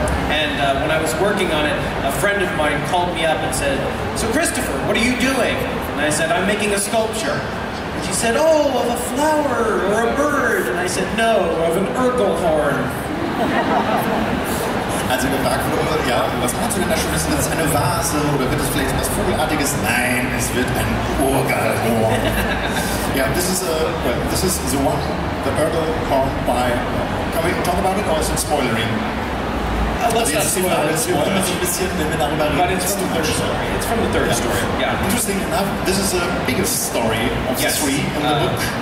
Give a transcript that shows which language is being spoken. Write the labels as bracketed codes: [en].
[en] And when I was working on it, a friend of mine called me up and said, so Christopher, what are you doing? And I said, I'm making a sculpture. And she said, oh, of a flower or a bird. And I said, no, of an Urkel horn. [de] Also gefragt wurde, ja, was machst du denn da schon? Ist das eine Vase oder wird das vielleicht etwas Vogelartiges? Nein, es wird ein Urgalhorn. [en] Yeah, this is the one, the Urgal horn by... Can we talk about it or is it spoilering? It's from the third story. Yeah. Interesting enough, this is the biggest story of the three in the book.